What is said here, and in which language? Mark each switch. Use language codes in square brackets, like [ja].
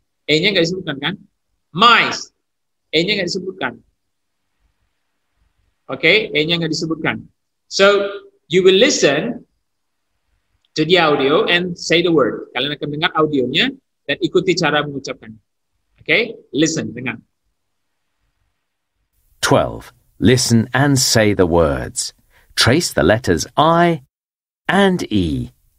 [id] E-nya enggak disebutkan, kan? Mice. E-nya enggak disebutkan. Okay, E-nya enggak disebutkan. [en] So, you will listen to the audio and say the word. [id] Kalian akan dengar audionya dan ikuti cara mengucapkan. [en] Okay, listen, dengar. 12. Listen and say the words. Trace the letters I and E.